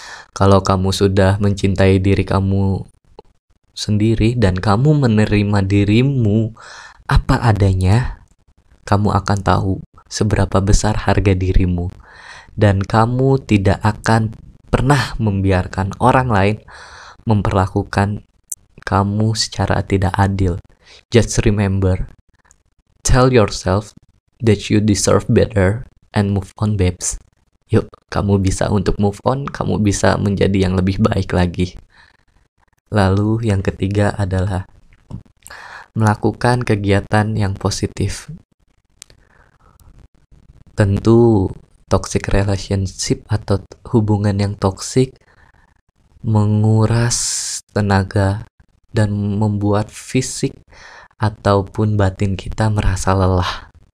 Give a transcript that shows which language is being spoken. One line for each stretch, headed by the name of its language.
Indonesian: Kalau kamu sudah mencintai diri kamu sendiri dan kamu menerima dirimu apa adanya, kamu akan tahu seberapa besar harga dirimu, dan kamu tidak akan pernah membiarkan orang lain memperlakukan kamu secara tidak adil.
English: Just remember, tell yourself that you deserve better and move on, babes.
Indonesian: Yuk, kamu bisa untuk move on, kamu bisa menjadi yang lebih baik lagi. Lalu yang ketiga adalah melakukan kegiatan yang positif. Tentu toxic relationship atau hubungan yang toxic menguras tenaga dan membuat fisik ataupun batin kita merasa lelah.